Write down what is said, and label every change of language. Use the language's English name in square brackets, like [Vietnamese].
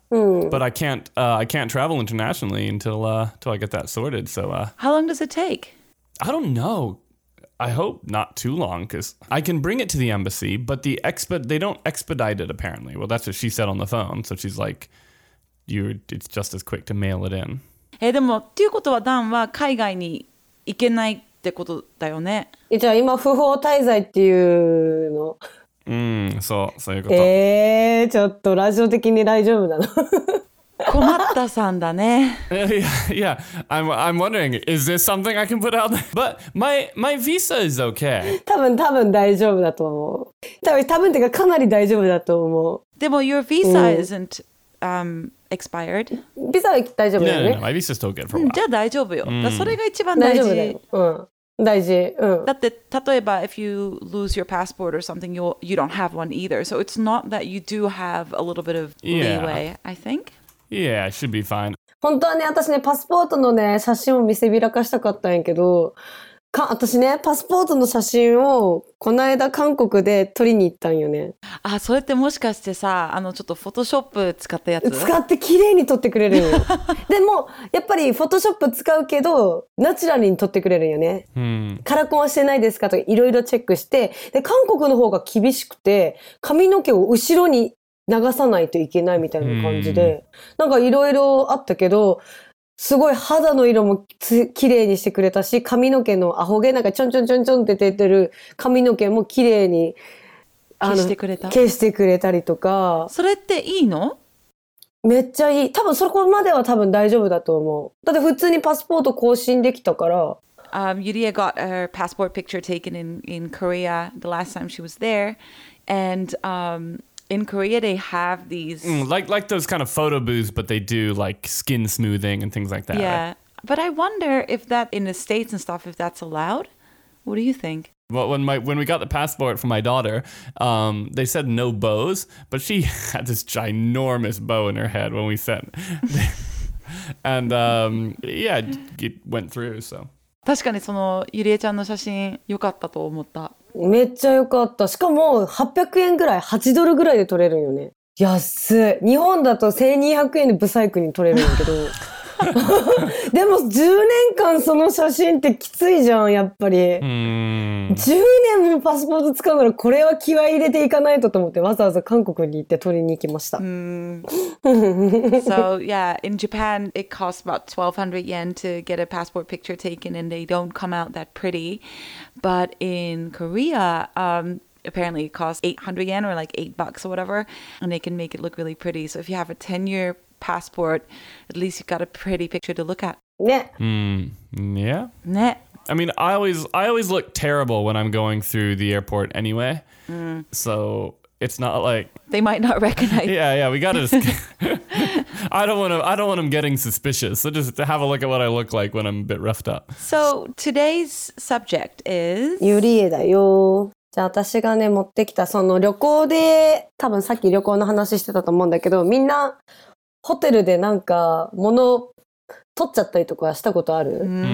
[English] But I can't travel internationally until I get that sorted. So. How long does it take? I don't know. I hope not too long, because I can bring it to the embassy, but they don't expedite it, apparently. Well, that's what she said on the phone. So she's like, it's just as quick to mail it in. [Japanese] Hey, でもっていうことはダンは海外に行けないってことだよね。じゃあ今不法滞在っていうの。そう、そういうこと。ちょっとラジオ的に大丈夫なの。困ったさんだね。 [English] I'm wondering, is this something I can put out there? But my visa is okay. [Japanese] 多分大丈夫だと思う。多分てか、かなり大丈夫だと思う。でも [English] your visa isn't expired. [Japanese] ビザは大丈夫だよね。 [English] No, my visa is still good for a while. [Japanese] じゃあ大丈夫よ。それが一番大事。大丈夫だよ。大事。だって、例えば [English] if you lose your passport or something, you don't have one either. So it's not that you do have a little bit of leeway, I think. Yeah, it should be fine. [Japanese] 本当はね、私ね、パスポートのね、写真を見せびらかしたかったんやけど、私ね、パスポートの写真をこの間韓国で撮りに行ったんよね。あ、それってもしかしてさ、ちょっとフォトショップ使ったやつ？使って綺麗に撮ってくれるよ。でも、やっぱりフォトショップ使うけど、ナチュラルに撮ってくれるよね。カラコンはしてないですかとか、いろいろチェックして、で、韓国の方が厳しくて、髪の毛を後ろに、流さないといけないみたいな感じで、なんかいろいろあったけど、すごい肌の色も綺麗にしてくれたし、髪の毛のアホ毛なんかちょんちょんちょんちょんって出てる髪の毛も綺麗に消してくれたりとか。それっていいの？めっちゃいい。多分そこまでは多分大丈夫だと思う。だって普通にパスポート更新できたから。 [English] Yurie got her passport picture taken in Korea the last time she was there, and In Korea, they have these... Like those kind of photo booths, but they do like skin smoothing and things like that. Yeah, but I wonder if that in the States and stuff, if that's allowed. What do you think? Well, when we got the passport for my daughter, they said no bows, but she had this ginormous bow in her head when we sent. And it went through, so... [Japanese] 確かにそのゆりえちゃんの写真良かったと思った。めっちゃ良かった。しかも800円ぐらい、8ドルぐらいで撮れるよね。安い。日本だと1200円でブサイクに撮れるんだけど。でも10年間その写真ってきついじゃん、やっぱり。 10年もパスポート使うならこれは気合い入れていかないとと思ってわざわざ韓国に行って撮りに行きました。 [English] So yeah, in Japan it costs about 1200 yen to get a passport picture taken and they don't come out that pretty. But in Korea, apparently it costs 800 yen or like 8 bucks or whatever and they can make it look really pretty. So if you have a 10-year passport, at least you've got a pretty picture to look at. Yeah. Yeah. I mean, I always look terrible when I'm going through the airport anyway. So it's not like they might not recognize. Yeah. We gotta. I don't want them getting suspicious. So just to have a look at what I look like when I'm a bit roughed up. So today's subject is [Japanese] Yurie だよ。じゃあ私がね持ってきたその旅行で多分さっき旅行の話してたと思うんだけどみんな。ホテルでなんか物を取っちゃったりとかしたことある？